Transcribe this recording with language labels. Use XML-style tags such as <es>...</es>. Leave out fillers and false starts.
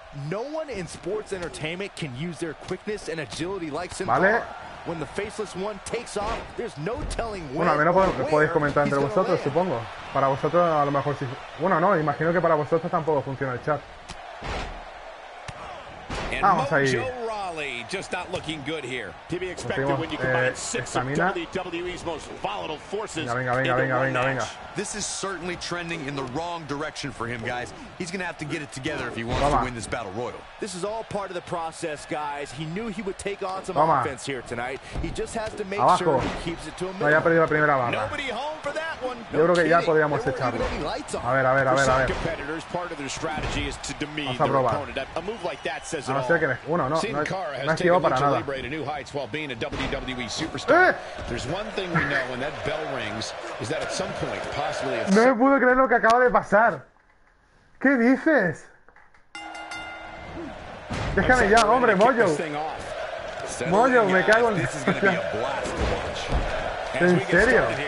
<en>No one in sports entertainment can use their quickness and agility like Sin Cara.</en> <es>Vale.</es> <en>When the faceless one takes off, there's no telling when.</en> <es>Bueno, al menos podéis comentar entre vosotros, supongo. Para vosotros a lo mejor sí. Bueno, no. Imagino que para vosotros tampoco funciona el chat. Vamos ahí.</es> <en>Just not looking good here. To be expected when you combine six examina. Of WWE's most volatile forces.</en> <es>Venga.</es> <en>This is certainly trending in the wrong direction for him, guys. He's gonna have to get it together if he wants to win this battle royal. This is all part of the process, guys. He knew he would take on some offense here tonight. He just has to make</en> <es>Abajo.</es> <en>Sure he keeps it to a minimum.</en> <es>No, ya perdió la primera barra.</es> <en>Nobody home for that one.</en> <es>Yo creo que ya podríamos echarlo. A ver.</es> <en>Competitors, part of their strategy is to demean their opponent. A move like that says it all.</en> <es>No has llegado para nada.</es> <en>There's one thing we know when that bell rings is that at some point possibly</en> <es>No me puedo creer lo que acaba de pasar. ¿Qué dices? Déjame ya, hombre, Mojo. Mojo, me cago en ¿En serio?</es>